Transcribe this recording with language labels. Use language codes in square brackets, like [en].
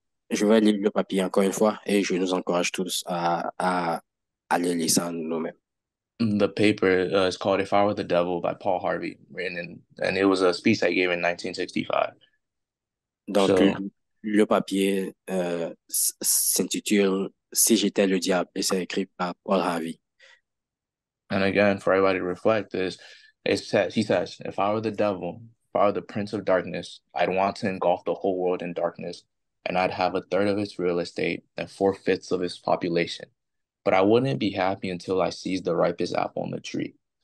[fr] Je vais lire le papier encore une fois, et je nous encourage tous à aller lire ça nous-mêmes. [en] The paper is called If I Were the Devil by Paul Harvey, written in, and it was a speech I gave in 1965. [fr] Donc, so, le papier s'intitule Si j'étais le diable, et c'est écrit par Paul Harvey. [en] And again, for everybody to reflect this, he says, If I were the devil, if I were the prince of darkness, I'd want to engulf the whole world in darkness, and I'd have a third of its real estate and 4/5 of its population. But I wouldn't be happy until I seized the ripest apple on the tree.